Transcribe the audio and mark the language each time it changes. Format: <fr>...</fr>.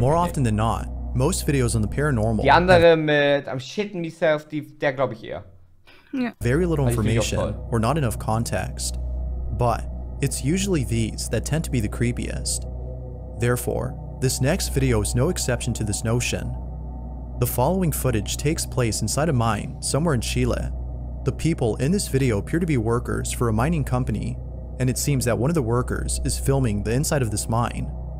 <en>More often than not, most videos on the paranormal.</en> <de>Die andere mit</de> <en>I'm shitting myself,</en> <de>der glaube ich eher.</de> <en>Yeah. Very little information or not enough context, but it's usually these that tend to be the creepiest. Therefore, this next video is no exception to this notion. The following footage takes place inside a mine somewhere in Chile. The people in this video appear to be workers for a mining company, and it seems that one of the workers is filming the inside of this mine.</en>